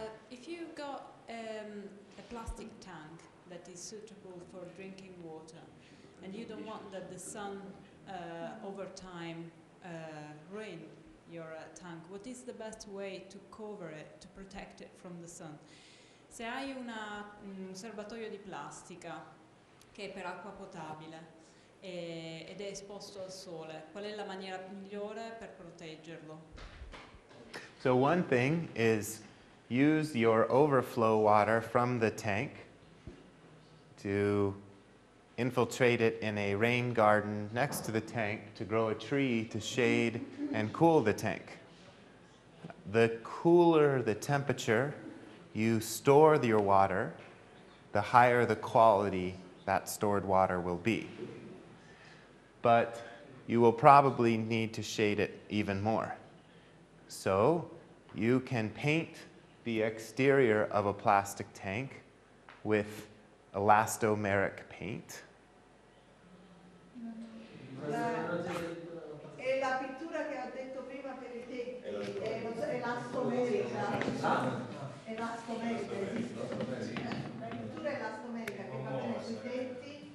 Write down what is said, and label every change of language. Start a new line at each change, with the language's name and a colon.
English: If you've got a plastic tank that is suitable for drinking water and you don't want that the sun over time rain your tank, what is the best way to cover it, to protect it from the sun?
Italian: Se hai una, un serbatoio di plastica che è per acqua potabile ed è esposto al sole, qual è la maniera migliore per proteggerlo?
English: So one thing is use your overflow water from the tank to infiltrate it in a rain garden next to the tank to grow a tree to shade and cool the tank. The cooler the temperature you store your water, the higher the quality that stored water will be. But you will probably need to shade it even more. So you can paint the exterior of a plastic tank with elastomeric paint.
Italian: E la pittura che ha detto prima per i tetti è elastomerica. La pittura elastomerica che va bene sui tetti.